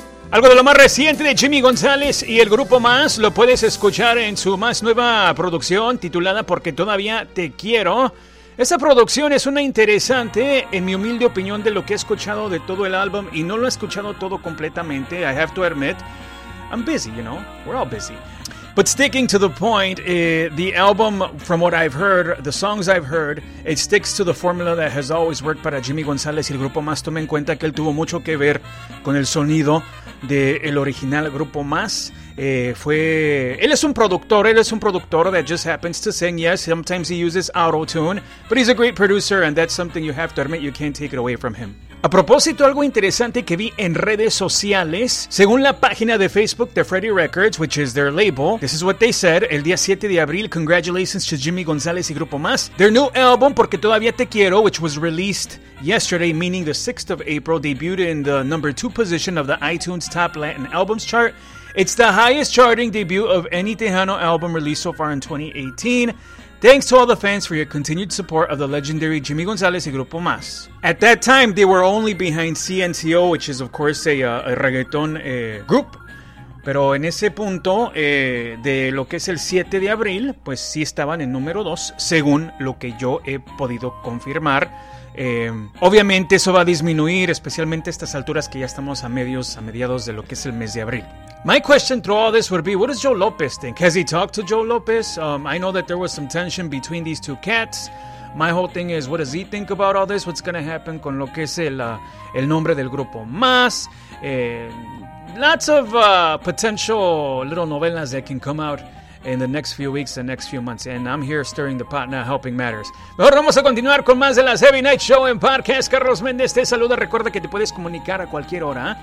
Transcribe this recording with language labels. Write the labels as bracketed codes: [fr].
[es] Algo de lo más reciente de Jimmy González y el grupo Más lo puedes escuchar en su más nueva producción titulada Porque Todavía Te Quiero. Esta producción es una interesante, en mi humilde opinión, de lo que he escuchado de todo el álbum, y no lo he escuchado todo completamente, [en] I have to admit. I'm busy, you know, we're all busy. But sticking to the point, the album, from what I've heard, the songs I've heard, it sticks to the formula that has always worked [es] para [en] Jimmy González y el grupo Más. [es] Tome en cuenta que él tuvo mucho que ver con el sonido de el original grupo Más. Él es un productor [en] that just happens to sing. Yes, sometimes he uses auto-tune, but he's a great producer, and that's something you have to admit, you can't take it away from him. [es] A propósito, algo interesante que vi en redes sociales, según la página de Facebook de Freddie Records, [en] which is their label, this is what they said, [es] el día 7 de abril, [en] congratulations to [es] Jimmy González y Grupo Más. [en] Their new album, Porque Todavía Te Quiero, which was released yesterday, meaning the 6th of April, debuted in the number 2 position of the iTunes Top Latin Albums chart. It's the highest charting debut of any Tejano album released so far in 2018. Thanks to all the fans for your continued support of the legendary Jimmy González y Grupo Más. At that time, they were only behind CNCO, which is, of course, a reggaeton group. [es] Pero en ese punto, de lo que es el 7 de abril, pues sí estaban en número 2, según lo que yo he podido confirmar. Obviamente eso va a disminuir, especialmente a estas alturas que ya estamos a mediados de lo que es el mes de abril. [en] My question through all this would be, what does Joe Lopez think? Has he talked to Joe Lopez? I know that there was some tension between these two cats. My whole thing is, what does he think about all this? What's gonna happen [es] con lo que es el nombre del grupo Más? [en] Lots of potential little novelas that can come out in the next few weeks, the next few months. And I'm here stirring the pot, not helping matters. [es] Mejor vamos a continuar con más de las Heavy Night Show en Podcast. Carlos Méndez te saluda. Recuerda que te puedes comunicar a cualquier hora.